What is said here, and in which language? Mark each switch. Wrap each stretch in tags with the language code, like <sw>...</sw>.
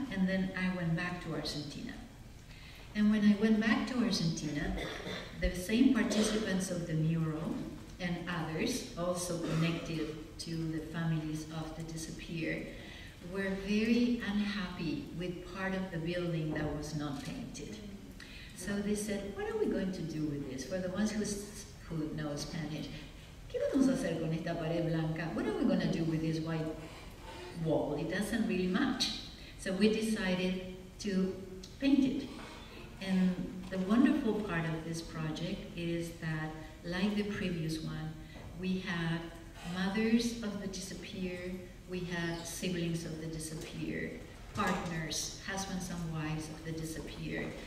<en>And then I went back to Argentina. And when I went back to Argentina, the same participants of the mural and others, also connected to the families of the disappeared, were very unhappy with part of the building that was not painted. So they said, what are we going to do with this? For the ones who know Spanish,</en> <es>¿qué vamos a hacer con esta pared blanca?</es> <en>What are we going to do with this white wall? It doesn't really match. So we decided to paint it. And the wonderful part of this project is that, like the previous one, we have mothers of the disappeared, we have siblings of the disappeared, partners, husbands and wives of the disappeared.</en>